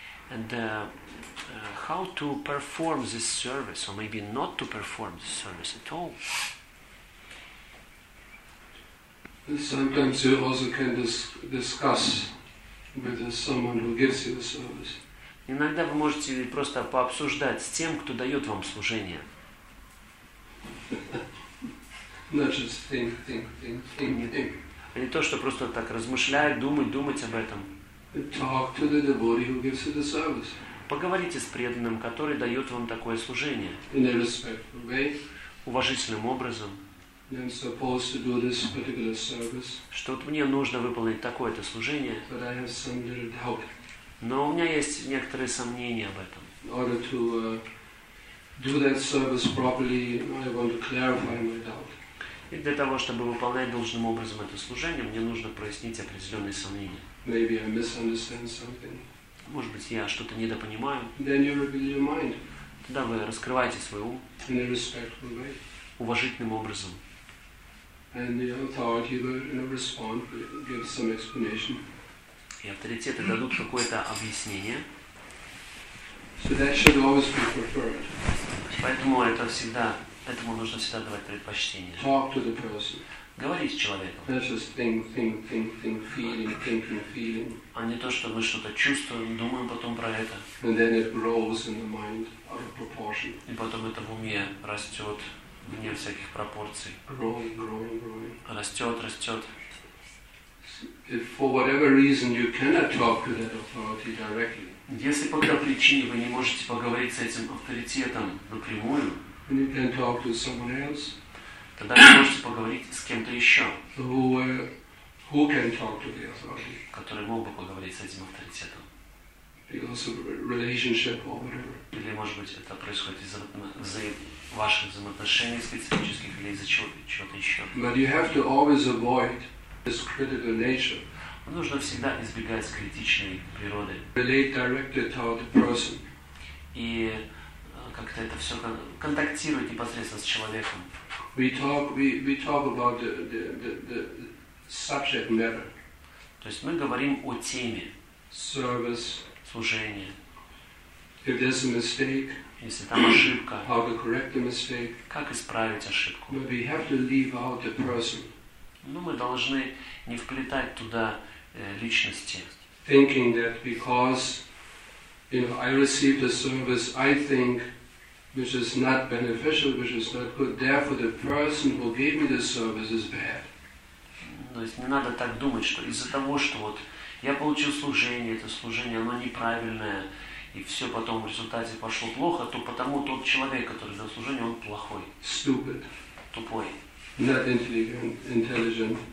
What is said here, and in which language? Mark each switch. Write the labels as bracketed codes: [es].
[en] And how to perform this service, or maybe not to perform this service at all? Sometimes you also can discuss with someone who gives you the service. [ru] Иногда вы можете просто пообсуждать с тем, кто дает вам служение. [en] Not just think. [ru] А не то, что просто так размышлять, думать об этом. [en] Talk to the devotee who gives you the service. [ru] Поговорите с преданным, который дает вам такое служение. [en] In a respectful way. [ru] Уважительным образом. [en] I'm supposed to do this particular service. [ru] Что вот мне нужно выполнить такое-то служение. [en] But I have some little doubt. [ru] Но у меня есть некоторые сомнения об этом. [en] In order to do that service properly, I want to clarify my doubt. [ru] И для того, чтобы выполнять должным образом это служение, мне нужно прояснить определенные сомнения. [en] Maybe I misunderstand something. [ru] Может быть, я что-то недопонимаю. [en] Then you reveal your mind. [ru] Тогда вы раскрываете свой ум. [en] In a respectful way. [ru] Уважительным образом. [en] And the authority will respond, give some explanation. [ru] И авторитеты дадут какое-то объяснение. [en] So that should always be preferred. [ru] Поэтому это всегда, этому нужно всегда давать предпочтение. [en] Talk to the person. [ru] Говорить с человеком. [en] Not just think, feeling. [ru] А не то, что мы что-то чувствуем, думаем потом про это. [en] And then it grows in the mind out of proportion. [ru] И потом это в уме растет вне всяких пропорций. [en] Growing. [ru] Растет. [en] If for whatever reason you cannot talk to that authority directly. [ru] Если по какой причине вы не можете поговорить с этим авторитетом напрямую. [en] And you can talk to someone else. [ru] Тогда вы можете поговорить с кем-то еще. [en] Who can talk to the authority? [ru] Который мог бы поговорить с этим авторитетом. [en] Because of relationship or whatever. [ru] Или, может быть, это происходит из-за ваших взаимоотношений специфических или из-за чего-то еще. [en] But you have to always avoid this critical nature. [ru] Нужно всегда избегать критичной природы. [en] Relate directly to the person. [ru] И как-то это все контактировать непосредственно с человеком. [en] We talk about the subject matter. [ru] То есть мы говорим о теме. [en] Service. [ru] Служение. [en] If there's a mistake. [ru] Если там ошибка. [en] How to correct the mistake. [ru] Как исправить ошибку. [en] But we have to leave out the person. [ru] Ну, мы должны не вплетать туда личности. [en] Thinking that because, you know, I received a service, I think, which is not beneficial, which is not good, therefore the person who gave me the service is bad. [ru] То есть не надо так думать, что из-за того, что вот я получил служение, это служение, оно неправильное, и все потом в результате пошло плохо, то потому тот человек, который дал служение, он плохой. [en] Stupid. [ru] Тупой. [en] Not intelligent.